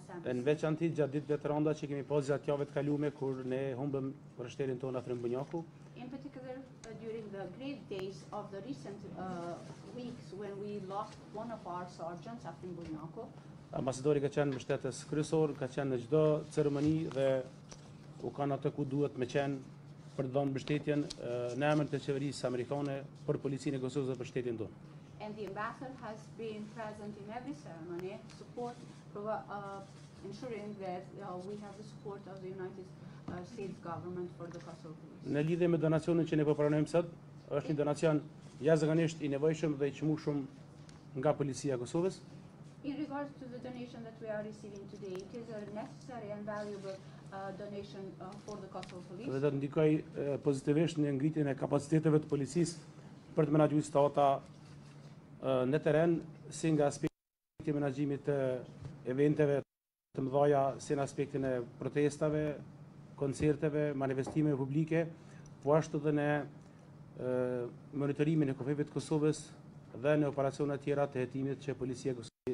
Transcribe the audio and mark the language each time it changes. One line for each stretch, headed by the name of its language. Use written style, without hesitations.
Albanian: Në veçanti gjatë ditëve të rënda që kemi pasur gjatë javëve të kaluara kur ne humbëm rështerin tonë afër Mbunjaku.
English: In particular, during the great days of the recent weeks when we lost one of our sergeants after Mbunjaku.
Albanian: Ambasadori ka qenë mbështetës kryesor, ka qenë në çdo ceremoni dhe u kanë atë ku duhet me qenë për të dhënë mbështetjen në emër të qeverisë amerikane për policinë e Kosovës dhe për shtetin tonë.
English: And the ambassador has been present in every ceremony, support for ensuring that we have the support of the United States government for the Kosovo police.
Albanian: Në lidhje me donacionin që ne po pranojmë sot, është një donacion jashtëzakonisht i nevojshëm dhe i çmueshëm nga policia e Kosovës.
English: In regards to the donation that we are receiving today, it is a necessary and valuable donation for the Kosovo police.
Albanian: Dhe do të ndikoj pozitivisht në ngritjen e kapaciteteve të policisë për të menaxhuar situata në teren, si nga aspekti menaxhimit të eventeve të mëdha, si në aspektin e protestave, koncerteve, manifestimeve publike, po ashtu edhe në monitorimin e kufive të Kosovës dhe në operacione të tjera të hetimit që policia e Kosovës.